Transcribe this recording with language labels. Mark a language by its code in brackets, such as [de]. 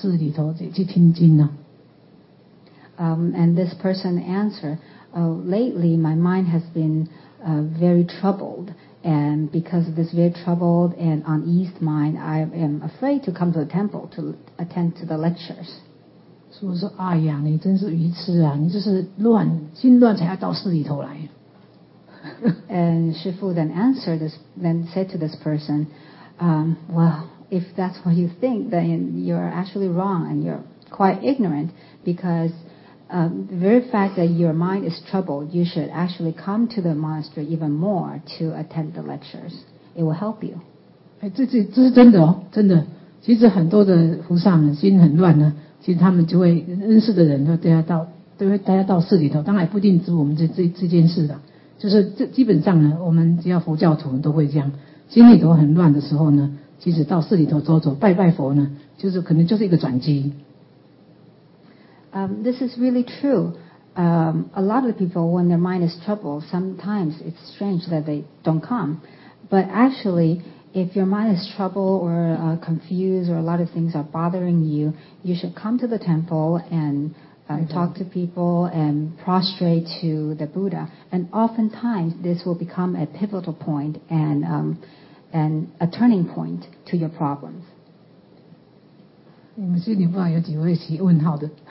[zh] 他说呢，他最近我心很乱啊，所以不敢到寺里头去听经啊。 [en] And this person answered, lately, my mind has been very troubled, and because of this very troubled and uneased mind, I am afraid to come to the temple to attend to the lectures. [zh] 师父说：“哎呀，你真是愚痴啊！你就是乱，心乱才要到寺里头来。” [en] And Shifu then said to this person, "Well, if that's what you think, then you're actually wrong, and you're quite ignorant because." The very fact that your mind is troubled, you should actually come to the monastery even more to attend the lectures. It will help you. [zh] 这是真的哦，真的。其实很多的菩萨们心很乱呢，其实他们就会认识的人都带他到寺里头，当然不一定指我们这件事的，就是这基本上呢，我们只要佛教徒都会这样，心里头很乱的时候呢。其实到寺里头走走拜拜佛呢，就是可能就是一个转机。 [en] This is really true. A lot of people, when their mind is troubled, sometimes it's strange that they don't come. But actually, if your mind is troubled or confused or a lot of things are bothering you, you should come to the temple and talk to people and prostrate to the Buddha. And oftentimes, this will become a pivotal point and a turning point to your problems. [zh] 你们心里不好有几位是问号的